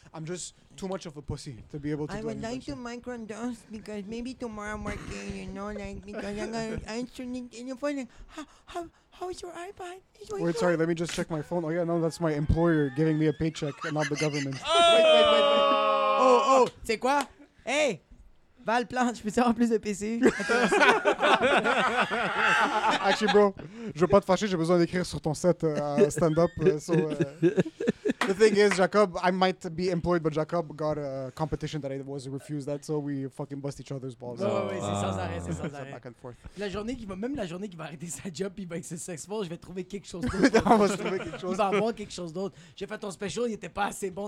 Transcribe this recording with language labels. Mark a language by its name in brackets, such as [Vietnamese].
[English] I'm just too much of a pussy to be able to I do would like to microdose because maybe tomorrow I'm working, you know, like, because I'm gonna answer in your phone. How is your iPad? Sorry, let me just check my phone. Oh, yeah, no, that's my employer giving me a paycheck and not the government. [French] Oh, c'est quoi? Hey, Val Plante, je peux avoir plus de PC? [English] Actually, bro, [French] je veux pas te fâcher, j'ai besoin d'écrire sur ton set stand-up. [English] The thing is, Jacob, I might be employed, but Jacob got a competition that I was refused that, so we fucking bust each other's balls. [French] Oui, c'est sans arrêt, c'est sans arrêt. [English] Back and forth. [French] La journée qui va, même la journée qui va arrêter sa job, puis il va être successful, je vais trouver quelque chose d'autre. On va trouver quelque chose. On va avoir quelque chose d'autre. J'ai fait ton special, il était pas assez bon.